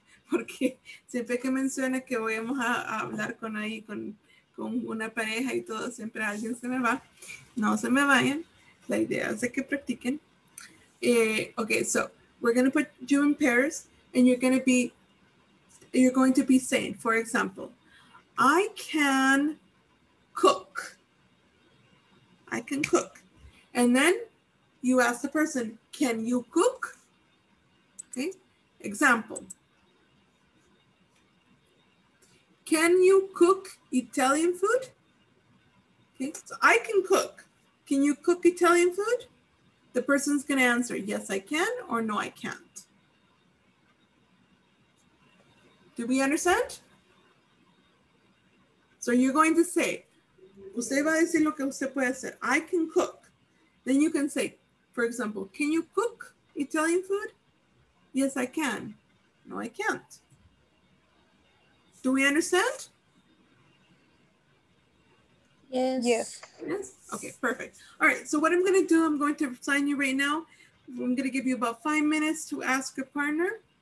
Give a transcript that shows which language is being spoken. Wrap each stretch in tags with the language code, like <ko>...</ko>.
<es>Porque siempre que menciona que vamos a hablar con ahí, con una pareja y todo, siempre alguien se me va. No se me vayan. La idea es de que practiquen.</es> <en>Okay, so we're going to put you in pairs and you're going to be saying, for example, I can cook. And then you ask the person, can you cook? Okay, example. Can you cook Italian food? Okay, so I can cook. Can you cook Italian food? The person's gonna answer, yes, I can, or no, I can't. Do we understand? So you're going to say,</en> <es>usted va a decir lo que usted puede hacer.</es> <en>I can cook. Then you can say, for example, can you cook Italian food? Yes, I can. No, I can't. Do we understand? Yes. Okay, perfect. All right, so what I'm going to do, I'm going to sign you right now. I'm going to give you about 5 minutes to ask your partner.</en>